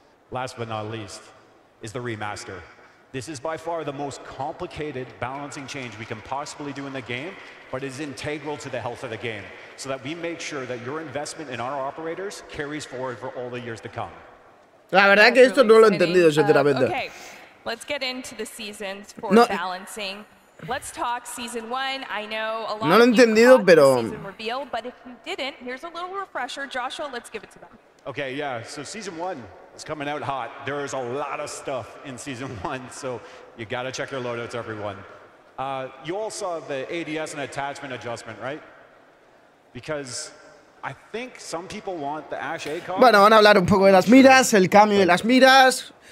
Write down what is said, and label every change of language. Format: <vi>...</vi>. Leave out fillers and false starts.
<en>Last but not least is the remaster. This is by far the most complicated balancing change we can possibly do in the game, but it is integral to the health of the game, so that we make sure that your investment in our operators carries forward for all the years to come.</en> <es>La verdad que esto no lo he entendido, sinceramente.</es> <en>Let's get into the seasons for balancing. Let's talk season 1. I know a lot of people caught the season reveal, but if you didn't, here's a little refresher. Joshua, let's give it to them. Okay, yeah. So season 1 is coming out hot. There is a lot of stuff in season 1, so you got to check your loadouts, everyone. You all saw the ADS and attachment adjustment, right? Because</en> <es>Bueno, van a hablar un poco de las miras, el cambio de las miras.</es>